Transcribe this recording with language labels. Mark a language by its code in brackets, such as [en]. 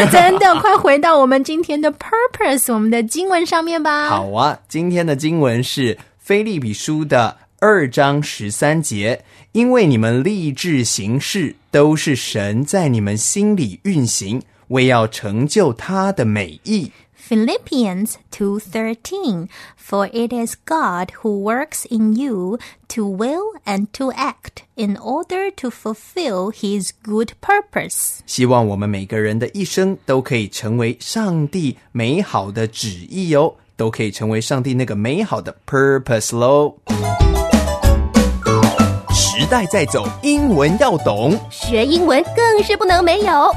[zh] 真的快回到我们今天的 purpose 我们的经文上面吧好啊今天的经文是腓立比书的二章十三节因为你们立志行事都是神在你们心里运行为要成就他的美意。 [en] Philippians 2:13, For it is God who works in you to will and to act in order to fulfill his good purpose. [zh] 希望我们每个人的一生都可以成为上帝美好的旨意哦，都可以成为上帝那个美好的 purpose 咯。时代在走，英文要懂，学英文更是不能没有